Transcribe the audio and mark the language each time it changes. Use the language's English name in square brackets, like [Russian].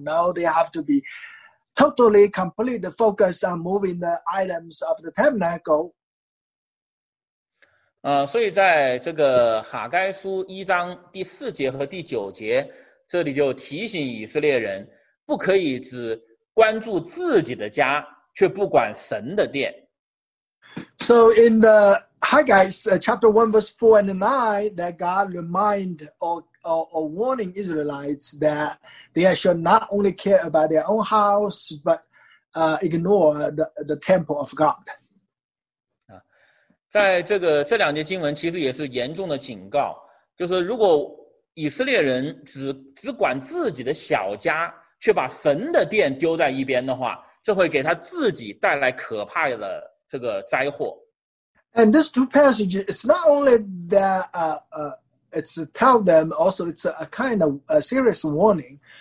[English] No, they have to be totally, completely focused on moving the items of the tabernacle. [Chinese] 所以在这个哈该书一章第四节和第九节这里就提醒以色列人不可以只关注自己的家却不管神的殿。 [English] So in the Haggai chapter 1 verse 4 and 9 that God remind or warning Israelites that they should not only care about their own house but ignore the temple of God. [Chinese] 在这两节经文其实也是严重的警告，就是如果以色列人 只管自己的小家却把神的殿丢在一边的话，这会给他自己带来可怕的这个灾祸。 [English] And these two passages, it's not only that it's tell them, also it's a kind of a serious warning.